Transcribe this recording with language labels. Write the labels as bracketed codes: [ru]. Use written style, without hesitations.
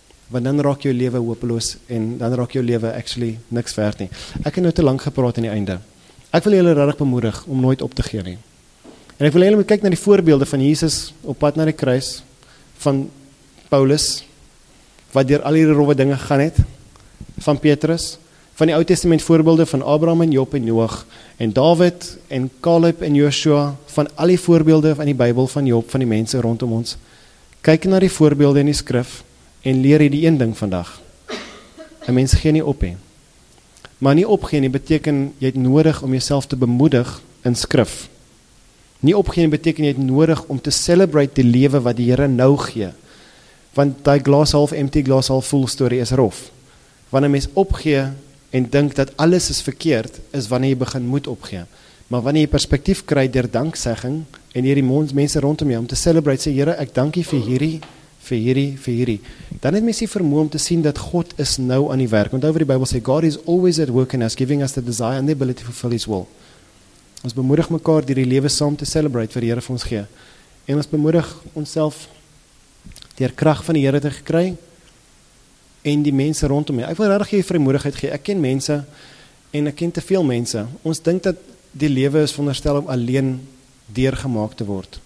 [af] Want dan raak jou leven hopeloos en dan raak jou leven actually niks werd nie. Ek het nou te lang gepraat in die einde. Ek wil julle regtig bemoedig om nooit op te gee nie. En ek wil julle moet kyk na die voorbeelde van Jesus op pad na die kruis, van Paulus, wat deur al die rowwe dinge gegaan het, van Petrus, van die Ou Testament voorbeelde van Abraham en Job en Noag en David en Caleb en Joshua, van al die voorbeelde van die Bybel van Job, van die mense rondom ons. Kyk na die voorbeelde in die skrif, en leer hy die een ding vandag. Een mens gee nie op, he. Maar nie opgee nie beteken, jy het nodig om jyself te bemoedig in skrif. Nie opgee beteken jy het nodig om te celebrate die lewe wat die Here nou gee. Want die glas half empty, glas half full story is rof. Wanneer mens opgee en dink dat alles is verkeerd, is wanneer jy begin moet opgee. Maar wanneer jy perspektief kry deur danksegging en hierdie mense rondom jou om te celebrate, sê Here, ek dankie vir hierdie, vir hierdie, vir hierdie. Dan het mens die vermoë om te sien dat God is nou aan die werk. Onthou wat die Bybel sê, [en] God is always at work in us, giving us the desire and the ability to fulfill his will. [af] Ons bemoedig mekaar deur die lewe saam te celebrate wat die Here vir ons gee. En ons bemoedig onsself deur krag van die Here te kry en die mense rondom jou. Ek wil regtig jou vrymoedigheid gee. Ek ken mense en ek ken te veel mense. Ons dink dat die lewe is veronderstel om alleen deurgemaak te word.